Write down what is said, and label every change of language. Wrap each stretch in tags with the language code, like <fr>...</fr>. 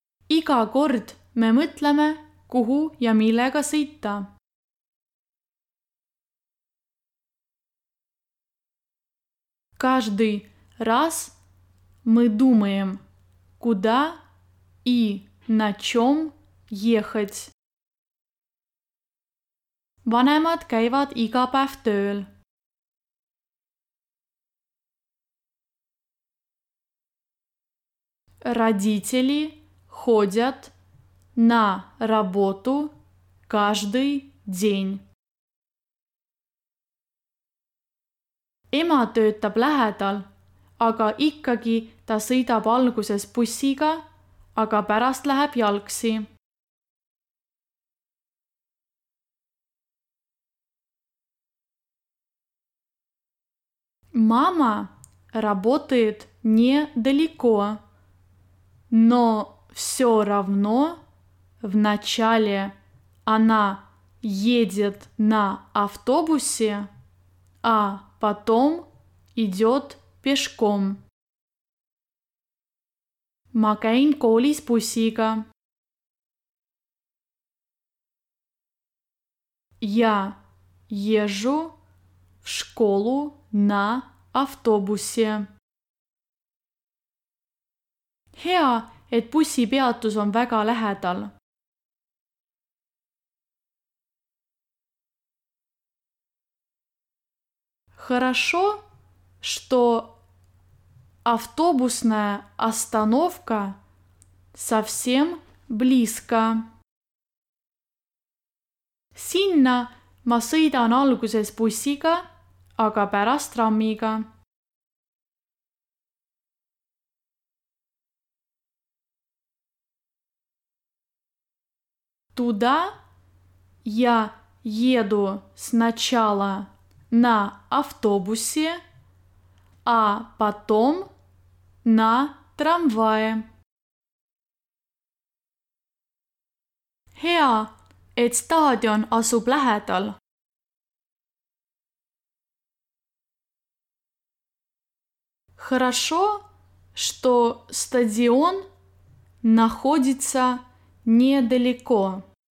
<et>Iga kord me mõtleme, kuhu ja millega sõita.</et> <ru>Каждый раз мы думаем, куда и на чем ехать.</ru> <et>Vanemad käivad iga päev tööl.</et> <ru>Родители ходят на работу каждый день.</ru> <et>Ema töötab lähedal, aga ikkagi ta sõidab alguses bussiga, aga pärast läheb jalgsi.</et> <ru>Мама работает недалеко, но все равно вначале она едет на автобусе, а потом идет пешком.</ru> <et>Ma käin koolis bussiga.</et> <ru>Я езжу в школу на автобусе.</ru> <et>Hea, et bussi peatus on väga lähedal.</et> <ru>Хорошо, что автобусная остановка совсем близко.</ru> <et>Sinna ma sõidan alguses bussiga, aga pärast rammiga.</et> <ru>Туда я еду сначала на автобусе, а потом на трамвае.</ru> <et>Hea, et staadion asub lähedal.</et> <ru>Хорошо, что стадион находится недалеко.</ru>